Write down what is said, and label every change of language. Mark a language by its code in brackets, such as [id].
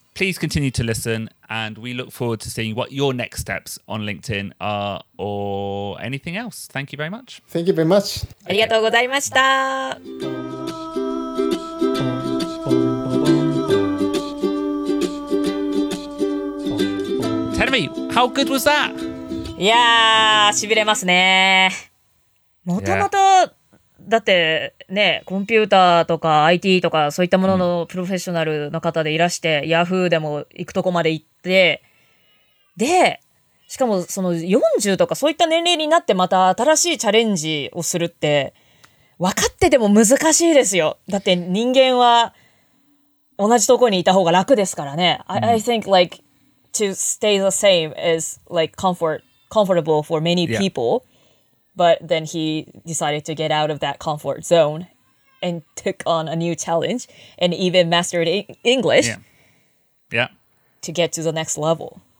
[en] Please continue to listen, and we look forward to seeing what your next steps on LinkedIn are or anything else. Thank you very much. Thank you very much. [ja] ありがとうございました。 [en] Tell me, how good was that? [ja] いやー、しびれますね。もともと、だってね、コンピューターとか IT とかそういったもののプロフェッショナルの方でいらして、Yahoo でも行くとこまで行って、で、しかもその40とかそういった年齢になってまた新しいチャレンジをするって、分かってても難しいですよ。だって人間は同じとこにいた方が楽ですからね。 [en] I think like, to stay the same is like comfortable for many people, but then he decided to get out of that comfort zone and took on a new challenge and even mastered English to get to the next level.